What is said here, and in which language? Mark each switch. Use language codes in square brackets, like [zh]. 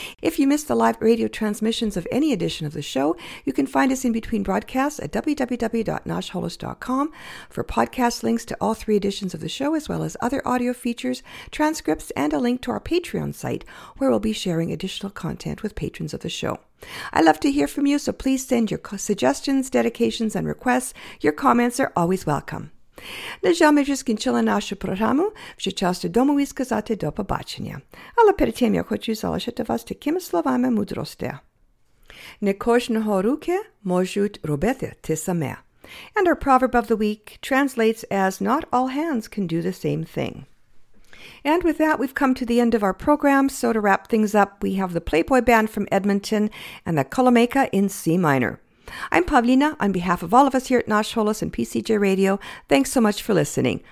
[en] If you missed the live radio transmissions of any edition of the show, you can find us in between broadcasts at www.nashholos.com for podcast links to all three editions of the show, as well as other audio features, transcripts, and a link to our Patreon site, where we'll be sharing additional content with patrons of the show. I love to hear from you, so please send your suggestions, dedications, and requests. Your comments are always welcome. [uk] На жаль, ми вже скінчили нашу програму. Вже час додому і сказати до побачення. Але перед тим я хочу залишити вас такими словами мудрості. Не кожного руки можуть робити те саме. [en] And our proverb of the week translates as not all hands can do the same thing. And with that, we've come to the end of our program. So to wrap things up, we have the Playboy Band from Edmonton and the Kolomeka in C minor. I'm Pavlina. On behalf of all of us here at Nash Holos and PCJ Radio, thanks so much for listening.